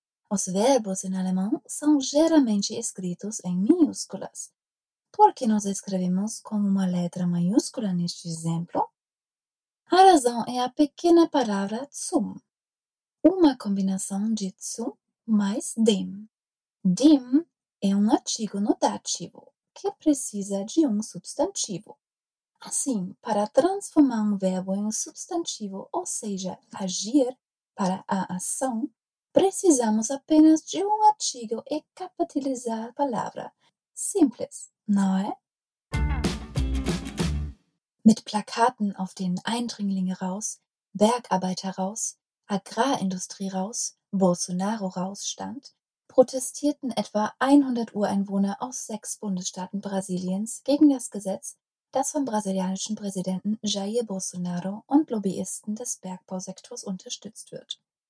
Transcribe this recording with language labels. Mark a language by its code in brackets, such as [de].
[es] Os verbos en alemán son generalmente escritos en minúsculas. ¿Por qué nos escribimos con una letra mayúscula en este ejemplo? La razón es la pequeña palabra zum. [pt] Uma combinação de zu mais dem. Dem é artigo no dativo, que precisa de substantivo. Assim, para transformar verbo em substantivo, ou seja, agir para a ação, precisamos apenas de artigo e capitalizar a palavra. Simples, não é? [de] Mit Plakaten auf den Eindringlinge raus, Bergarbeiter raus, Agrarindustrie raus, Bolsonaro raus stand, protestierten etwa 100 Ureinwohner aus 6 Bundesstaaten Brasiliens gegen das Gesetz, das vom brasilianischen Präsidenten Jair Bolsonaro und Lobbyisten des Bergbausektors unterstützt wird.